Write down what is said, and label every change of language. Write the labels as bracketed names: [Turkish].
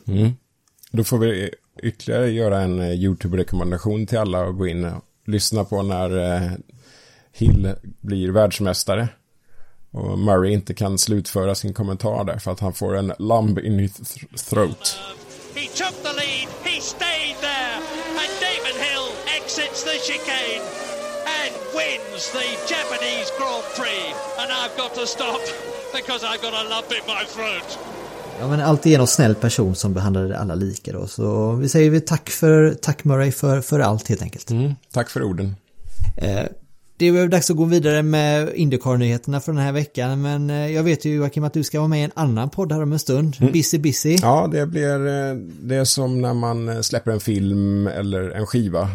[Swedish] Mm. Då får vi ytterligare göra en YouTube-rekommendation till alla och gå in och lyssna på när Hill blir världsmästare och Murray inte kan slutföra sin kommentar där för att han får en [English] lump in his throat. He took the lead, he stayed there. And Damon Hill exits the chicane and wins the Japanese Grand Prix. And I've got to stop because I've got a lump in my throat. [Swedish] Ja, men alltid en snäll person som behandlade alla lika då. Så vi säger tack Murray för allt helt enkelt. Mm, tack för orden. Det är väl dags att gå vidare med IndyCar-nyheterna för den här veckan, men jag vet ju Joakim att du ska vara med i en annan podd här om en stund. [English] Mm. Busy, busy. [Swedish] Ja, det blir det som när man släpper en film eller en skiva.